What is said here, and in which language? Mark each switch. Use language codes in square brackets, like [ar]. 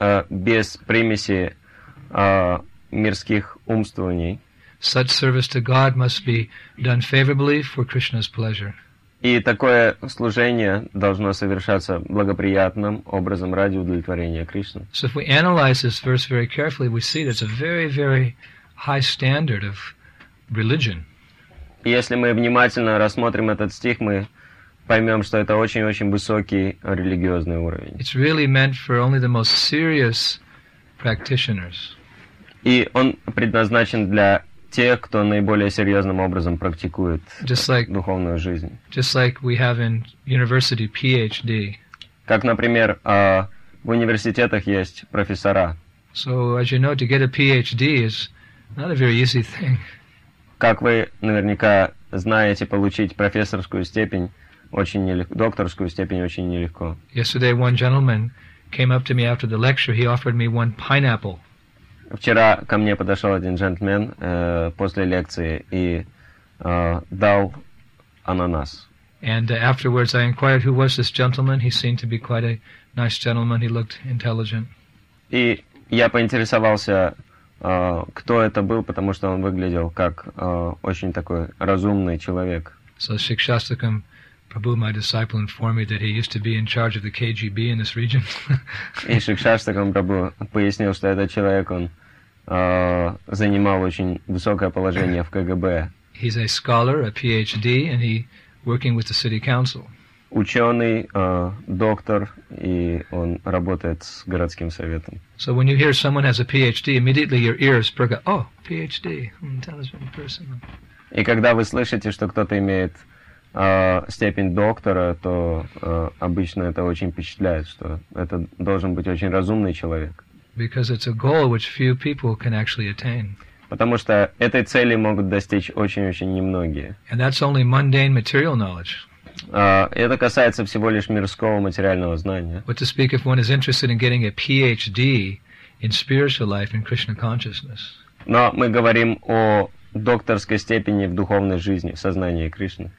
[ru] Без примеси мирских умствований. [en] Such service to God must be done favorably for Krishna's pleasure. [ru] И такое служение должно совершаться благоприятным образом ради удовлетворения Кришны. [en] So if we analyze this verse very carefully, we see that it's a very, very high standard of religion. [ru] Если мы внимательно рассмотрим этот стих, мы поймем, что это очень-очень высокий религиозный уровень. [en] It's really meant for only the most serious practitioners. [ru] И он предназначен для тех, кто наиболее серьезным образом практикует духовную жизнь. [en] Just like we have in university PhD. [ru] Как, например, в университетах есть профессора. [en] So, as you know, to get a PhD is not a very easy thing. [ru] Как вы наверняка знаете, получить профессорскую степень очень нелегко, докторскую степень очень нелегко. [en] Yesterday one gentleman came up to me after the lecture, he offered me one pineapple. [ru] Вчера ко мне подошел один джентльмен после лекции и дал ананас. [en] And afterwards I inquired, who was this gentleman? He seemed to be quite a nice gentleman, he looked intelligent. [ru] И я поинтересовался, кто это был, потому что он выглядел как очень такой разумный человек. [en] So Shikshastakam Prabhu, my disciple, informed me that he used to be in charge of the KGB in this region. [ru] И Шикшаштакам Прабху пояснил, что этот человек, он занимал очень высокое положение в КГБ. [en] He's a scholar, a PhD, and he's working with the city council. [ru] Ученый, доктор, и он работает с городским советом. [en] So when you hear someone has a PhD, immediately your ears perk up. Oh, PhD, intelligent person. [ru] И когда вы слышите, что кто-то имеет степень доктора, то обычно это очень впечатляет, что это должен быть очень разумный человек. [en] Because it's a goal which few people can actually attain. [ru] Потому что этой цели могут достичь очень-очень немногие. [en] And that's only mundane material knowledge. [ru] Это касается всего лишь мирского материального знания. [en] But to speak if one is interested in getting a PhD in spiritual life and Krishna consciousness. [ru] Но мы говорим о докторской степени в духовной жизни, в сознании Кришны.